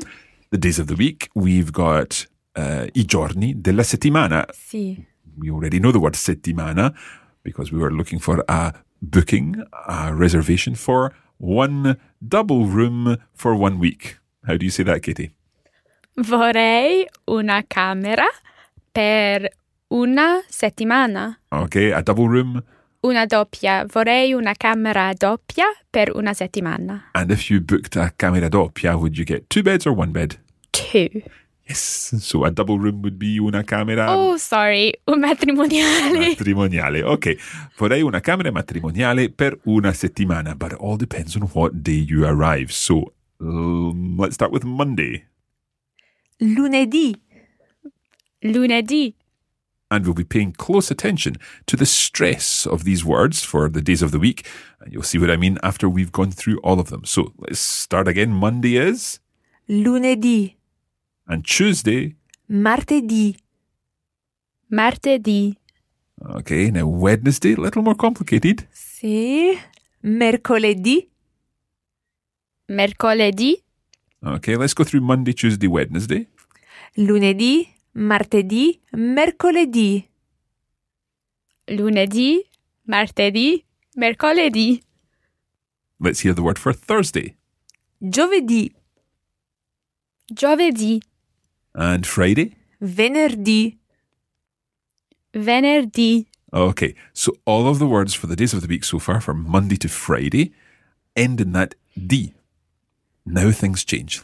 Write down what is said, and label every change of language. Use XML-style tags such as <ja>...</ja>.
<en>Mm-hmm. The days of the week, we've got</en> <it>I giorni della settimana. Sì.</it> <en>We already know the word settimana because we were looking for a booking, a reservation for one double room for 1 week. How do you say that, Katie?</en> <it>Vorrei una camera per una settimana.</it> <en>Okay, a double room.</en> <it>Una doppia. Vorrei una camera doppia per una settimana.</it> <en>And if you booked a camera doppia, would you get two beds or one bed? Two. Yes, so a double room would be</en> <it>una camera...</it> <en>Oh, sorry,</en> <it>un matrimoniale.</it> <en>Matrimoniale, okay.</en> <it>Vorrei una camera matrimoniale per una settimana,</it> <en>but it all depends on what day you arrive. So, let's start with Monday.</en> <it>Lunedì. Lunedì.</it> <en>And we'll be paying close attention to the stress of these words for the days of the week. And you'll see what I mean after we've gone through all of them. So, let's start again. Monday is...</en> <it>Lunedì.</it> <en>And Tuesday?</en> <it>Martedì. Martedì.</it> <en>Okay, now Wednesday, a little more complicated.</en> <it>Sì. Mercoledì. Mercoledì.</it> <en>Okay, let's go through Monday, Tuesday, Wednesday.</en> <it>Lunedì, martedì, mercoledì. Lunedì, martedì, mercoledì.</it> <en>Let's hear the word for Thursday.</en> <it>Giovedì. Giovedì.</it> <en>And Friday?</en> <it>Venerdì. Venerdì.</it> <en>Okay, so all of the words for the days of the week so far, from Monday to Friday, end in that D. Now things change.</en>